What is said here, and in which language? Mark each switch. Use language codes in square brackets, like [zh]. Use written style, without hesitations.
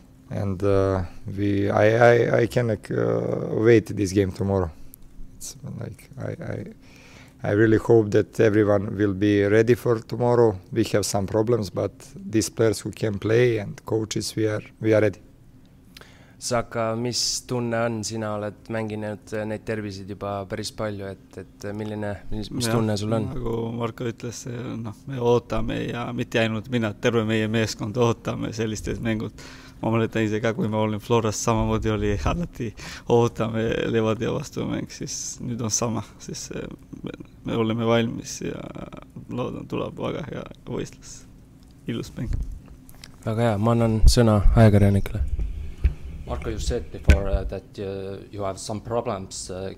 [en] And I can wait this game tomorrow. It's like I really hope that everyone will be ready for tomorrow. We have some problems, but these players who can play and coaches, we are ready. [et] Saka, mis tunne on? Sina oled mänginud neid tervisid juba päris palju, et milline, mis ja, tunne sul on? Nagu Marko ütles, no, me ootame ja mitte ainult mina, terve meie meeskond ootame sellistes mängud. Ma mõletan ise ka, kui ma olin Floras, samamoodi oli alati ootame Levadia vastu mäng, siis nüüd on sama, siis me oleme valmis ja loodan, tuleb väga hea võistlus, ilus mäng. Väga hea, ma annan sõna ajakirjanikele. [en] Marko, you said before that you have some problems.